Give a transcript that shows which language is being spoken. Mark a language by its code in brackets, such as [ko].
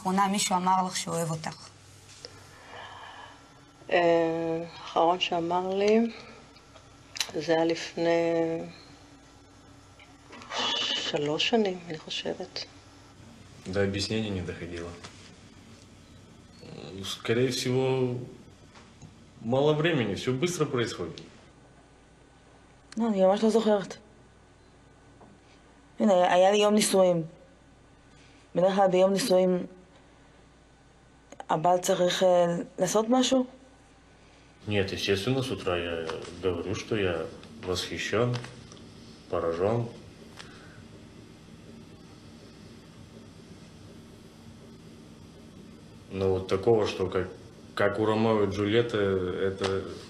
[he] מישהו אמר לך שהוא אוהב אותך? האחרון שאמר לי זה היה לפני 3 שנים, אני חושבת. [ru] До объяснения не доходило. Скорее всего, мало времени, все быстро происходит. [he] לא, אני ממש לא זוכרת. הנה, היה לי יום נישואים. בדרך כלל ביום נישואים הבעל צריך לעשות משהו? [ru] Нет, естественно, с утра я говорю, что я восхищен, поражен. Но вот такого, что как у Ромео и Джульетты, это...